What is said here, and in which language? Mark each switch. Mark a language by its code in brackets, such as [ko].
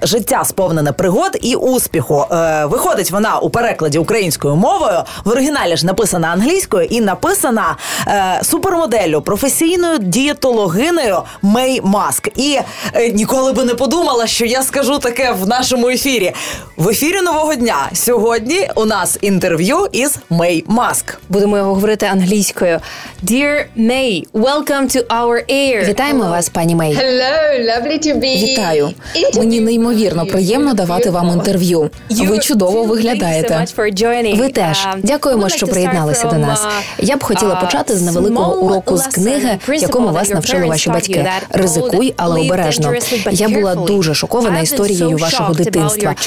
[uk] Життя сповнене пригод і успіху». Виходить вона у перекладі українською мовою, в оригіналі ж написана англійською і написана супермоделлю, професійною дієтологиною Мей Маск. І ніколи би не подумала, що я скажу таке в нашому ефірі. В ефірі нового дня. Сьогодні у нас інтерв'ю із Мей Маск. Будемо його говорити англійською. [en] Dear May, welcome to our air. [uk] Вітаємо вас, пані Мей. [en] Hello, lovely to be. [uk] Вітаю. Мені неймовірно приємно давати вам інтерв'ю. Ви чудово виглядаєте. Ви теж. Дякуємо, що приєдналися до нас. Я б хотіла почати з невеликого уроку з книги, якому вас навчили ваші батьки. Ризикуй, але обережно. Я була дуже шокована історією вашого дитинства.